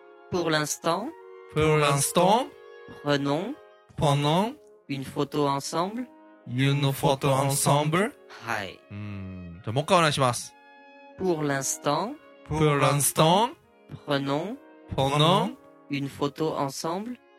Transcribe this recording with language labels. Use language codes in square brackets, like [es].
[fr] Pour l'instant, prenons une photo ensemble. [ja] はい。じゃあもう一回お願いします。 [fr] Pour l'instant, prenons une photo ensemble.